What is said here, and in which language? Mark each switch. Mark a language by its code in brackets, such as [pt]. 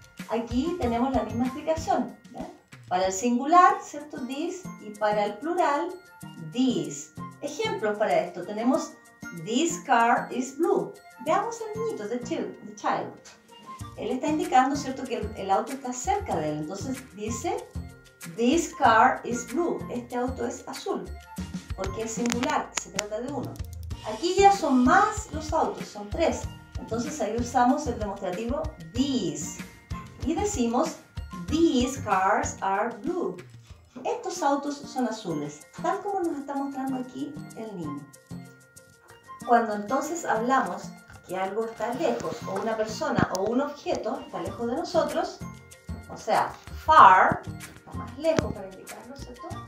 [es] Aquí tenemos la misma explicación, ¿verdad? Para el singular, ¿cierto? These, y para el plural, these. Ejemplos para esto, tenemos [en] this car is blue. [es] Veamos al niñito, [en] the child. [es] Él está indicando, ¿cierto? Que el auto está cerca de él. Entonces dice, [en] this car is blue. [es] Este auto es azul, porque es singular, se trata de uno. Aquí ya son más los autos, son tres. Entonces ahí usamos el demostrativo these. Y decimos, [en] these cars are blue. [es] Estos autos son azules, tal como nos está mostrando aquí el niño. Cuando entonces hablamos que algo está lejos, o una persona o un objeto está lejos de nosotros, o sea, far, está más lejos para indicarlo, ¿cierto?